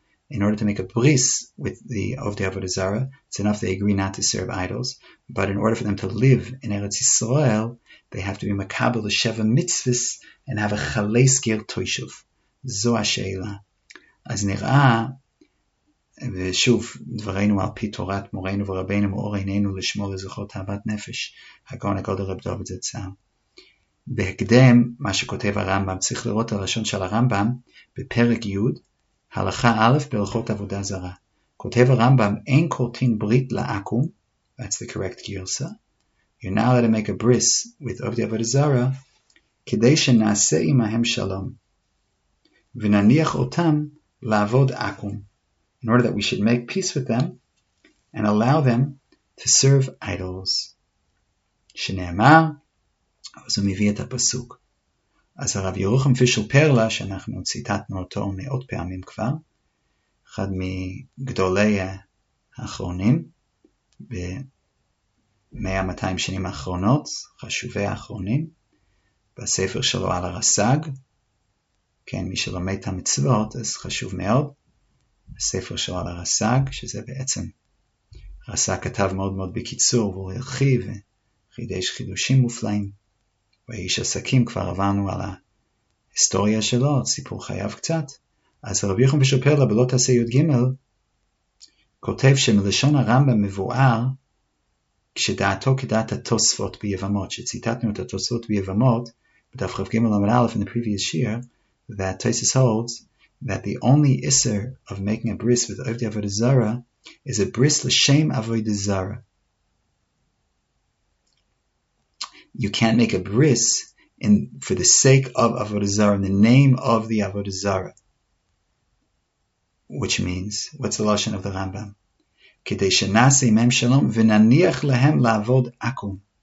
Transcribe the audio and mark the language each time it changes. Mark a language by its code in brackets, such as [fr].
[en] In order to make a bris with the Ovdei Avodah Zarah, it's enough they agree not to serve idols. But in order for them to live in Eretz Yisrael, they have to be makabel the sheva mitzvahs and have a chalos geil toshav. [he] Zo ha'sheila. אז נראה, ושוב, דברינו על פי תורת מורנו ורבינו מאור עינינו לשמור לזכות אהבת נפש, הגאון הגדול רב דוד זצ"ל. בהקדם, מה שכותב הרמב״ם, צריך לראות את הלשון של הרמב״ם בפרק י', הלכה א' בהלכות עבודה זרה. כותב הרמב״ם, אין כורתין ברית לעקום, [en] that's the correct [he] גרסה, [en] you're not allowed to make a bris with [he] עובדי עבודה זרה, כדי שנעשה עמהם שלום. ונניח אותם לעבוד עקום, [en] in order that we should make peace with them and allow them to serve idols. [he] שנאמר, אז הוא מביא את הפסוק. אז הרב ירוחם פישל פרלה, שאנחנו ציטטנו אותו מאות פעמים כבר, אחד מגדולי האחרונים, ב-100-200 שנים האחרונות, חשובי האחרונים, בספר שלו על הרס"ג, כן, מי שלומד את המצוות, אז חשוב מאוד, הספר שלו על הרס"ג, שזה בעצם, הרס"ג כתב מאוד מאוד בקיצור, והוא הרחיב, חידש חידושים מופלאים, ואיש עסקים, כבר עברנו על ההיסטוריה שלו, סיפור חייו קצת, אז רבי יוחנן בשופר לה, בלא תעשה י"ג, כותב שמלשון הרמב"ם מבואר, כשדעתו כדעת התוספות ביבמות, שציטטנו את התוספות ביבמות, בדף כ"ג עמוד א' [en] in the previous year, that Tosis holds that the only iser of making a bris with Ovdei Avodah Zarah is a bris l'shem Avodah Zarah. You can't make a bris for the sake of Avodah Zarah, in the name of the Avodah Zarah. Which means, what's the lashon of the Rambam? [he] Kedei shenaseh imhem shalom v'naniach lehem la'avod akum.